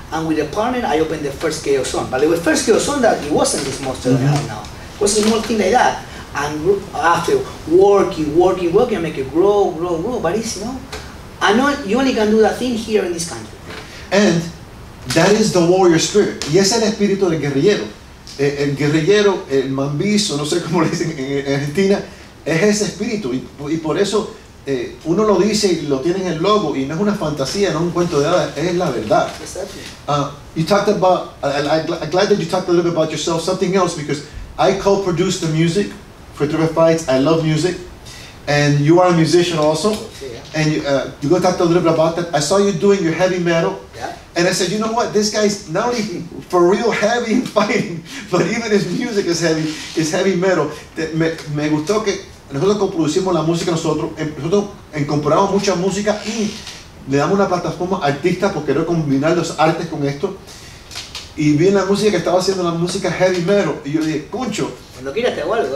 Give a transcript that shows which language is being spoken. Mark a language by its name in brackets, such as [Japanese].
[English] And with a partner, I opened the first Chaos Zone. But it was first Chaos Zone that it wasn't this monster that I have now. It was a small thing like that. And after working, I make it grow. But it's, you know, I know you only can do that thing here in this country. And that is the warrior spirit. [Spanish] Y ese es el espíritu del guerrillero. El guerrillero, el mambiso, no sé cómo le dicen en Argentina, es ese espíritu. Y por eso uno lo dice y lo tiene en el logo y no es una fantasía, no es un cuento de hadas, es la verdad. [English] You talked about, I'm glad that you talked a little bit about yourself, something else, because I co-produced the music for 305FIGHTS. I love music, and you are a musician also. And you go talk a little bit about that. I saw you doing your heavy metal. Yeah. And I said, you know what? This guy's not only for real heavy and fighting, but even his music is heavy. It's heavy metal. [Spanish] Me gustó que nosotros coproducimos la música nosotros. Nosotros incorporamos mucha música y le damos una plataforma artista porque quiero combinar los artes con esto. Y vi la música que estaba haciendo, la música heavy metal. Y yo dije, Concho. Cuando quieras te hago algo,